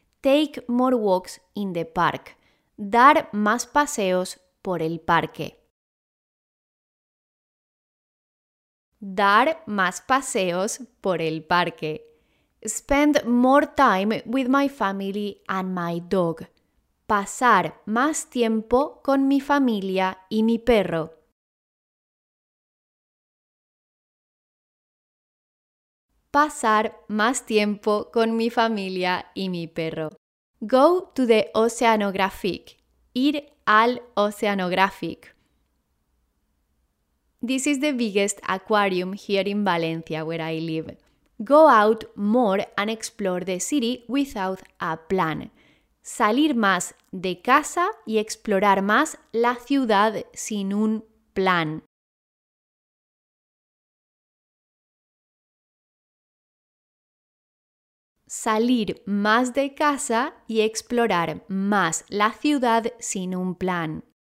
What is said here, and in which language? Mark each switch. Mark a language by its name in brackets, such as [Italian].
[English] Take more walks in the park. [Spanish] Dar más paseos por el parque. Dar más paseos por el parque. [English] Spend more time with my family and my dog. [Spanish] Pasar más tiempo con mi familia y mi perro. Pasar más tiempo con mi familia y mi perro. [English] Go to the Oceanographic. [Spanish] Ir al Oceanographic. [English] This is the biggest aquarium here in Valencia, where I live. Go out more and explore the city without a plan. [Spanish] Salir más de casa y explorar más la ciudad sin un plan. Salir más de casa y explorar más la ciudad sin un plan.